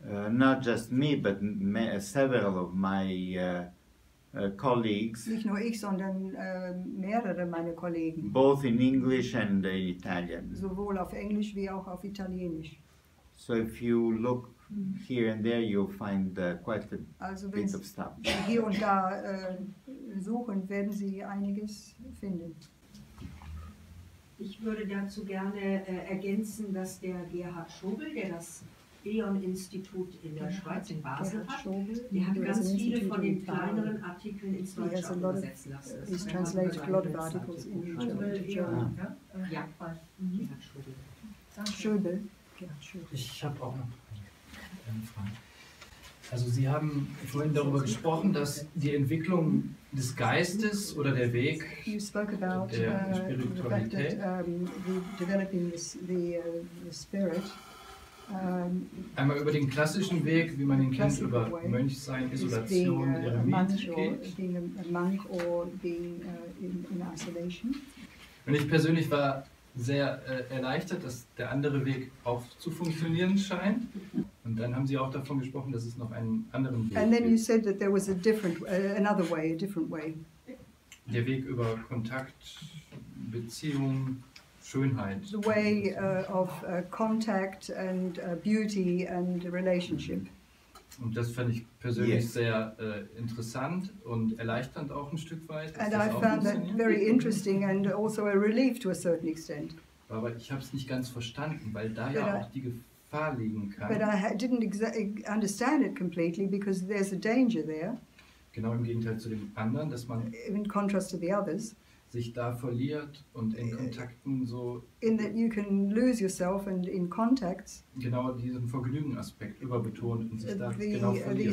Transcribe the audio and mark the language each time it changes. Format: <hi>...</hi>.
<en>Not just me, but several of my colleagues.</en> <de>Nicht nur ich, sondern mehrere meiner Kollegen.</de> <en>Both in English and in Italian.</en> <de>Sowohl auf Englisch wie auch auf Italienisch.</de> <en>So if you look here and there, you'll find quite a bit of stuff.</en> <de>Also wenn Sie hier und da suchen, werden Sie einiges finden. Ich würde dazu gerne ergänzen, dass der Gerhard Schobel, der das Institut in der Schweiz in Basel hat. Die haben ganz viele von den kleineren Artikeln ins Deutsche übersetzen lassen.</de> <en>He's translated a lot of articles in German.</en> <de>Ja, bei Schöbel. Ich habe auch noch eine Frage. Also Sie haben vorhin darüber gesprochen, dass die Entwicklung des Geistes oder der Weg</de> <en>you spoke about,</en> <de>der Spiritualität</de> <en>developing the spirit.</en> <de>Einmal über den klassischen Weg, wie man ihn kennt, über Mönchsein, Isolation, Eremit geht. Und ich persönlich war sehr erleichtert, dass der andere Weg auch zu funktionieren scheint. Und dann haben Sie auch davon gesprochen, dass es noch einen anderen Weg gibt.</de> <en>And then you said that there was a different, another way, a different way.</en> <de>Der Weg über Kontakt, Beziehung. Schönheit.</de> <en>The way of contact and beauty and relationship.</en> <de>Und das fand ich persönlich sehr interessant und erleichternd auch ein Stück weit.</de> <en>And I found that very interesting and also a relief to a certain extent.</en> <de>Aber ich habe es nicht ganz verstanden, weil da ja auch die Gefahr liegen kann.</de> <en>But I didn't understand it completely because there's a danger there.</en> <de>Genau im Gegenteil zu dem anderen, dass man</de> <en>in contrast to the others.</en> <de>Sich da verliert und in Kontakten so</de> <en>in that you can lose yourself and in contacts</en> <de>genau diesen Vergnügen Aspekt überbetont und sich da genau verliert.</de>